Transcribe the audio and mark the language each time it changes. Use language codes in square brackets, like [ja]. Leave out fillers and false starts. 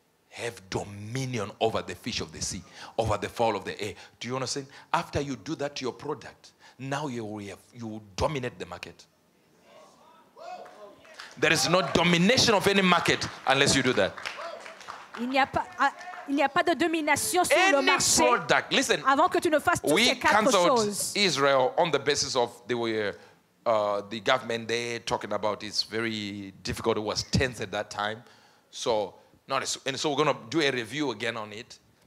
[en] Have dominion over the fish of the sea, over the fowl of the air. Do you understand? After you do that to your product, now you will dominate the market. There is no domination of any market unless you do that. [fr] Il n'y a pas de domination sur le marché [en] product, listen, [fr] avant que tu ne fasses toutes ces quatre choses. [en] We canceled Israel on the basis of the government there talking about it's very difficult. It was tense at that time. So we're going to do a review again on it.